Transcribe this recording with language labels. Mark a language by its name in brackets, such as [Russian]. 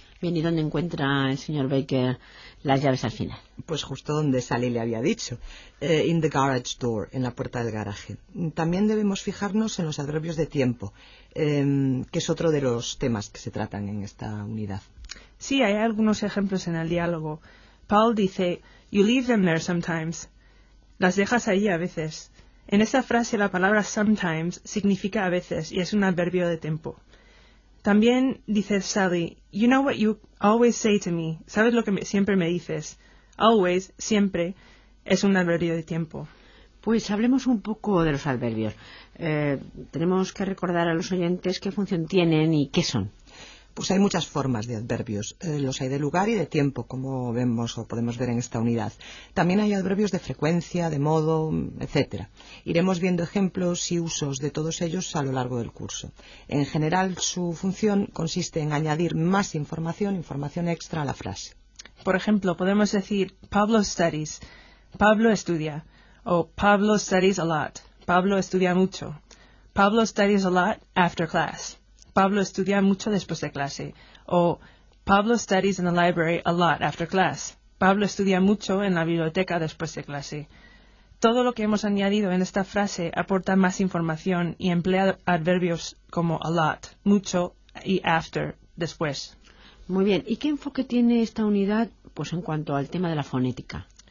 [Spanish] Bien, ¿y dónde encuentra el señor Baker las llaves al final? Pues justo donde Sally le había dicho, [English] in the garage door, [Spanish] en la puerta del garaje. También debemos fijarnos en los adverbios de tiempo, que es otro de los temas que se tratan en esta unidad. Sí, hay algunos ejemplos en el diálogo. [English] Paul dice, you leave them there sometimes. [Spanish] Las dejas ahí a veces. En esta frase la palabra sometimes significa a veces y es un adverbio de tiempo. También dice [English] Sally, you know what you always say to me. [Spanish] ¿Sabes lo que siempre me dices? Always, siempre, es un adverbio de tiempo. Pues hablemos un poco de los adverbios. Tenemos que recordar a los oyentes qué función tienen y qué son. Pues hay muchas formas de adverbios. Los hay de lugar y de tiempo, como vemos o podemos ver en esta unidad. También hay adverbios de frecuencia, de modo, etcétera. Iremos viendo ejemplos y usos de todos ellos a lo largo del curso. En general, su función consiste en añadir más información extra a la frase. Por ejemplo, podemos decir [English] Pablo studies, [Spanish] Pablo estudia, [English] o Pablo studies a lot, [Spanish] Pablo estudia mucho, [English] Pablo studies a lot after class. [Spanish] Pablo estudia mucho después de clase. [English] O Pablo studies in the library a lot after class. [Spanish] Pablo estudia mucho en la biblioteca después de clase. Todo lo que hemos añadido en esta frase aporta más información y emplea adverbios como a lot, mucho y after, después. Muy bien. ¿Y qué enfoque tiene esta unidad pues en cuanto al tema de la fonética?